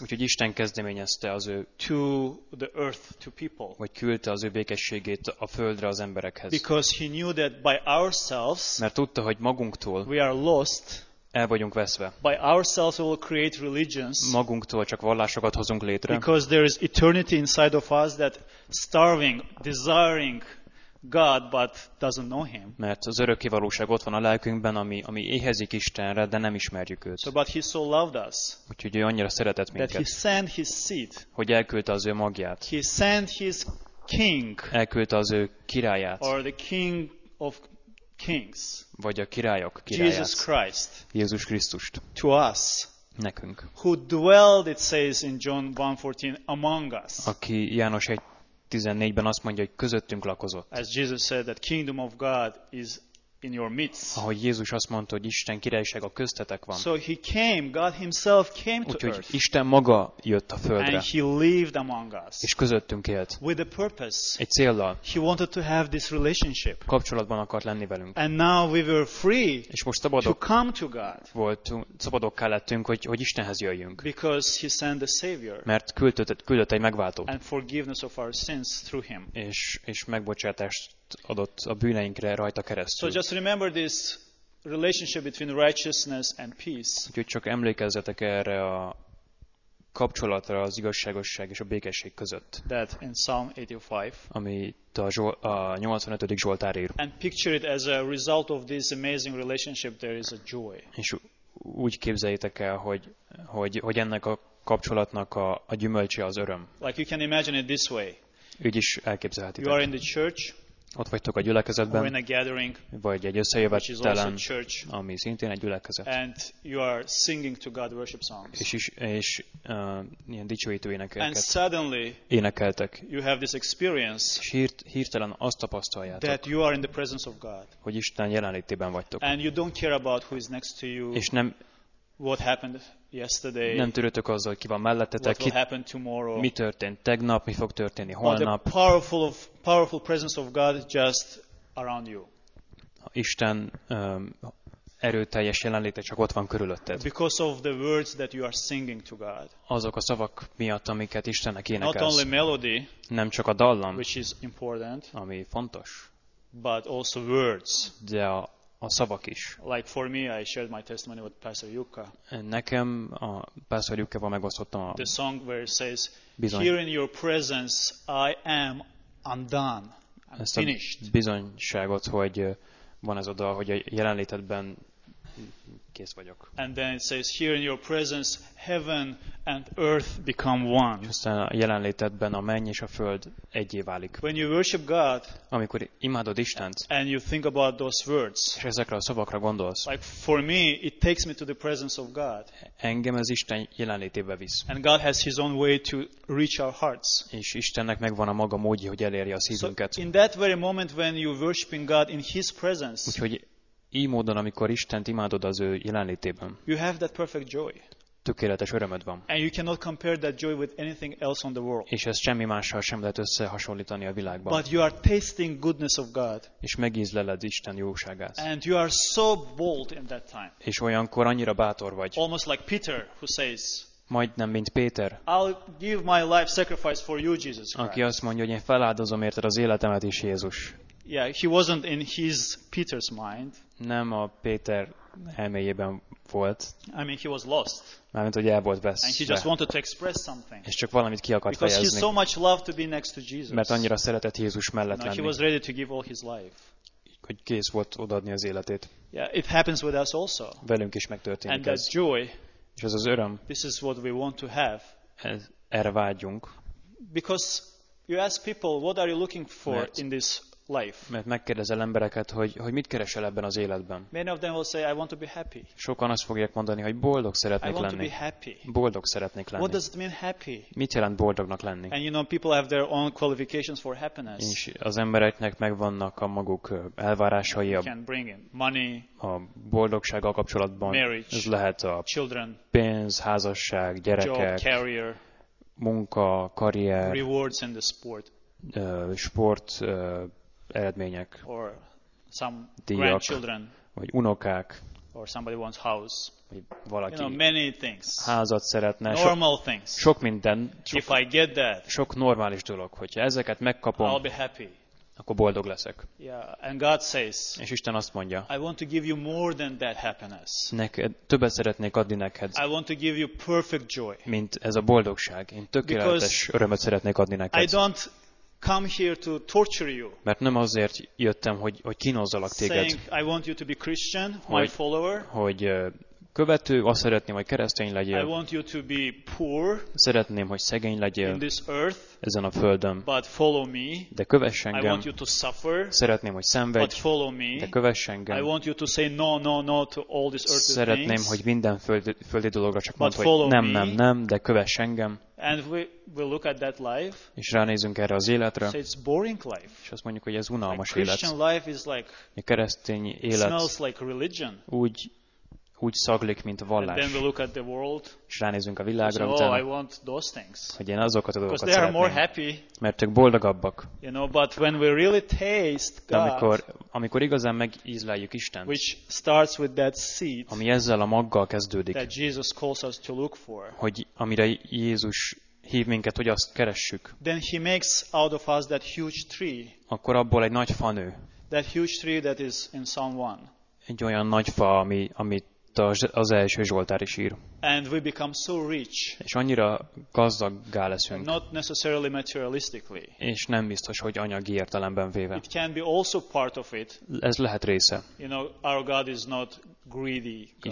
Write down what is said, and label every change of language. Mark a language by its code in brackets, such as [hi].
[hu] Úgyhogy Isten kezdeményezte az ő. [en] To the earth, to people. [hu] Vagy küldte az ő békességét a földre az emberekhez. [en] Because He knew that by ourselves. [hu] Mert tudta, hogy magunktól. [en] We are lost. [hu] El vagyunk veszve. [en] By ourselves we will create religions. [hu] Magunktól csak vallásokat hozunk létre. [en] Because there is eternity inside of us that starving, desiring God but doesn't know him. [hu] Mert az örökké valóság ott van a lelkünkben, ami éhezik Istenre, de nem ismerjük őt. [en] So, but he so loved us. [hu] Úgyhogy ő annyira szeretett minket. [en] That he sent his seed. [hu] Hogy elküldte az ő magját. [en] He sent his king. [hu] Elküldte az ő királyát. [en] Or the king of kings. [hu] Vagy a királyok királyát. [en] Jesus Christ. [hu] Jézus Krisztust. [en] To us. [hu] Nekünk. [en] Who dwelled, it says in John 1:14, among us. [hu] Aki János 1:14-ben azt mondja, hogy közöttünk lakozott. [en] As Jesus said that kingdom of God is in your midst. [hu] Ahogy Jézus azt mondta, hogy Isten királysága köztetek van. [en] So he came, God himself came to earth. [hu] Úgyhogy Isten maga jött a földre. [en] And he lived among us. [hu] És közöttünk élt. [en] With a purpose. [hu] Egy céllal. [en] He wanted to have this relationship. [hu] Kapcsolatban akart lenni velünk. [en] And now we were free. [hu] És most szabadok. [en] To come to God. [hu] Voltunk, szabadokká lettünk, hogy Istenhez jöjjünk. [en] Because he sent the Savior. [hu] Mert küldött egy megváltót. [en] And forgiveness of our sins through him. [hu] És megbocsátást adott a bűneinkre rajta keresztül. [en] So just remember this relationship between righteousness and peace. [hu] Úgyhogy csak emlékezzetek erre a kapcsolatra az igazságosság és a békesség között. [en] That in Psalm 85. [hu] Amit a 85. Zsoltár ír. [en] And picture it as a result of this amazing relationship there is a joy. [hu] És úgy képzeljétek el, hogy ennek a kapcsolatnak a gyümölcse az öröm. [en] Like you can imagine it this way. [hu] Úgy is elképzelhetitek. [en] You are in the church. [hu] Ott vagytok a gyülekezetben, vagy egy összejövetelen, ami szintén egy gyülekezet. [en] And you are singing to God worship songs. [hu] És ilyen dicsőítő énekeket. [en] And suddenly [hu] énekeltek. [en] You have this experience. [hu] És hirtelen azt tapasztaljátok. [en] That you are in the presence of God. [hu] Hogy Isten jelenlétében vagytok. [en] And you don't care about who is next to you. [hu] És nem [en] what happened yesterday. [hu] Nem törődök azzal, ki van mellettetek, [en] what will happen tomorrow. [hu] Mi történt tegnap, mi fog történni holnap. [en] But the powerful presence of God just around you. [hu] Isten erőteljes jelenléte csak ott van körülötted. [en] Because of the words that you are singing to God. [hu] Azok a szavak miatt, amiket Istennek énekelsz. [en] Not only melody, [hu] nem csak a dallam, [en] which is important, [hu] ami fontos, [en] but also words. [hu] De a szavak is. [en] Like for me, I shared my testimony with Pastor Jukka. [hu] Nekem a Pastor Jukkával megosztottam a. [en] The song where it says, [hu] bizony. [en] Here in your presence, I am undone. [hu] Ezt [en] finished. [hu] A bizonyságot, hogy van ez a dal, hogy a jelenlétedben kész vagyok. [en] And then it says, here in your presence, heaven and earth become one. [hu] Aztán a jelenlétedben a menny és a föld egyé válik. [en] When you worship God, [hu] amikor imádod Istent, [en] and you think about those words, [hu] és ezekre a szavakra gondolsz, [en] like for me, it takes me to the presence of God. [hu] Engem ez Isten jelenlétébe visz. [en] And God has His own way to reach our hearts. [hu] És Istennek megvan a maga módja, hogy elérje a szívünket. [en] So in that very moment when you worshiping God in His presence. [hu] Úgyhogy így módon, amikor Istent imádod az ő jelenlétében. [en] You have that perfect joy. [hu] Tökéletes örömöd van. [en] And you cannot compare that joy with anything else on the world. [hu] És ezt semmi mással sem lehet összehasonlítani a világban. [en] But you are tasting goodness of God. [hu] És megízleled Isten jóságát. [en] And you are so bold in that time. [hu] És olyankor annyira bátor vagy. [en] Almost like Peter who says, [hu] majdnem mint Péter. [en] I'll give my life sacrifice for you, Jesus Christ. [hu] Aki azt mondja, hogy én feláldozom érted az életemet is, Jézus. [en] Yeah, he wasn't in his Peter's mind. [hu] Nem a Péter elméjében volt. [en] I mean, he was lost. [hu] Mármint, hogy el volt veszve. [en] And he just wanted to express something. [hu] És csak valamit ki akart [en] because [hu] fejezni. [en] Because he so much loved to be next to Jesus. [hu] Mert annyira szeretett Jézus mellett lenni. [en] No, he was ready to give all his life. [hu] Hogy kész volt odaadni az életét. [en] Yeah, it happens with us also. [hu] Velünk is megtörténik. [en] And that joy. [hu] És ez az öröm. [en] This is what we want to have. [hu] Erre vágyunk. [en] Because you ask people, what are you looking for in this life. [hu] Mert megkérdezel embereket, hogy mit keresel ebben az életben. [en] Many of them will say, I want to be happy. [hu] Sokan azt fogják mondani, hogy boldog szeretnék [en] I want [hu] lenni. [en] To be happy. [hu] Boldog szeretnék lenni. [en] What does it mean happy? [hu] Mit jelent boldognak lenni? [en] And you know, people have their own qualifications for happiness. [hu] És az embereknek megvannak a maguk elvárásai a boldogsággal kapcsolatban. [en] Marriage, [hu] ez lehet a [en] children, [hu] pénz, házasság, gyerekek, [en] job, career, [hu] munka, karrier, [en] rewards in the sport. [hu] sport eredmények, [en] or some díjak, grandchildren, [hu] vagy unokák, [en] or somebody wants house, [hu] vagy valaki, [en] you know, many things, [hu] házat szeretne, [en] normal things, [hu] sok minden, sok, [en] if I get that, [hu] sok normális dolog, hogyha ezeket megkapom, [en] I'll be happy. [hu] Akkor boldog leszek. [en] Yeah, and God says, [hu] és Isten azt mondja, [en] I want to give you more than that happiness. [hu] Neked, többet szeretnék adni neked, [en] I want to give you perfect joy. [hu] Mint ez a boldogság. Én tökéletes [en] Because [hu] örömet szeretnék adni neked. [en] I don't come here to torture you. [hu] Mert nem azért jöttem, hogy kínozzalak téged. [en] Saying, I want you to be Christian, my follower. [hu] Hogy követő, azt szeretném, hogy keresztény legyél. [en] I want you to be poor, [hu] szeretném, hogy szegény legyél [en] in this earth, [hu] ezen a földön, [en] but follow me, [hu] de kövess engem. [en] I want you to suffer, [hu] szeretném, hogy szenvedj, [en] but follow me, [hu] de kövess engem. [en] I want you to say no, no, no to all this earthly [hu] szeretném, [en] things, [hu] hogy minden földi dologra csak mondd, [en] but [hu] hogy nem, [en] me, [hu] nem, nem, de kövess engem. [en] And we look at that life, [hu] és ránézünk erre az életre, [en] so it's boring life. [hu] És azt mondjuk, hogy ez unalmas élet. [en] Christian life is like, [hu] a keresztény élet [en] smells like religion. [hu] Úgy szaglik, mint a vallás. [en] Then we look at the world, [hu] és ránézünk a világra, [en] so, oh, I want those things, [hu] hogy én azokat a dolgokat szeretném, [en] more happy, [hu] mert ők boldogabbak. [en] You know, but when we really taste God, [hu] amikor igazán megízleljük Istent, [en] which starts with that seed, [hu] ami ezzel a maggal kezdődik, [en] that Jesus calls us to look for, [hu] hogy amire Jézus hív minket, hogy azt keressük, [en] then he makes out of us that huge tree, [hu] akkor abból egy nagy fa nő. [en] That huge tree that is in Psalm 1. [hu] Egy olyan nagy fa, amit az első Zsoltár is ír. [en] And we become so rich, [hu] és annyira gazdaggá leszünk. [en] Not necessarily materialistically, [hu] és nem biztos, hogy anyagi értelemben véve. [en] It can be also part of it, [hu] ez lehet része. [en] You know, our God is not greedy God.